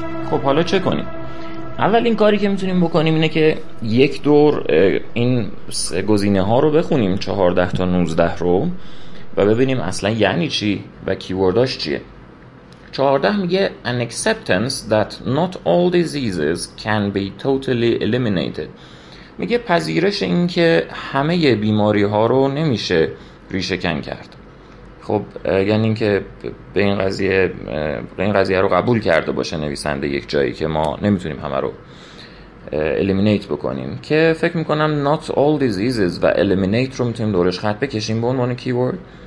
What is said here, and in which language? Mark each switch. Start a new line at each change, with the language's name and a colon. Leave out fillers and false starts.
Persian: خب حالا چه کنیم؟ اولین کاری که میتونیم بکنیم اینه که یک دور این گزینه ها رو بخونیم، 14 تا 19 رو، و ببینیم اصلا یعنی چی و کیورداش چیه.
English: 14
Persian: میگه
English: an acceptance that not all diseases can be totally eliminated.
Persian: میگه پذیرش این که همه بیماری ها رو نمیشه ریشه کن کرد. خب یعنی این که به این قضیه رو قبول کرده باشه نویسنده یک جایی که ما نمیتونیم همه رو الیمینیت بکنیم، که فکر میکنم
English: not all diseases
Persian: و الیمینیت رو میتونیم دورش خط بکشیم به عنوان کیورد.